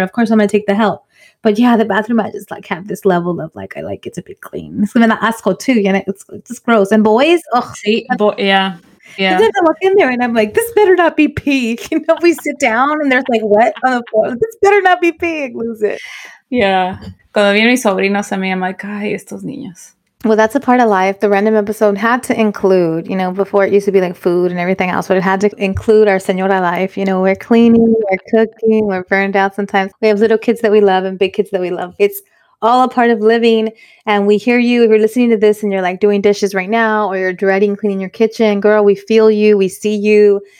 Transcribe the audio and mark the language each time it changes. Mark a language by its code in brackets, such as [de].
[en] Of course, I'm going to take the help. But yeah, the bathroom, I just like have this level of like, I like it to be clean. It's going to be the asco too. You know, it's just gross. And boys, ugh. See, yeah. Yeah. And then I look in there and I'm like, this better not be pee. You know, we sit down and there's like, what on the floor? This better not be pee. I lose it. Yeah. [es] Cuando vienen mis sobrinos a mí, [en] I'm like, [es] ay, estos niños. [en] Well, that's a part of life. The random episode had to include, you know, before it used to be like food and everything else, but it had to include our señora life. You know, we're cleaning, we're cooking, we're burned out sometimes. We have little kids that we love and big kids that we love. It's all a part of living. And we hear you, if you're listening to this and you're like doing dishes right now, or you're dreading cleaning your kitchen, girl, we feel you, we see you.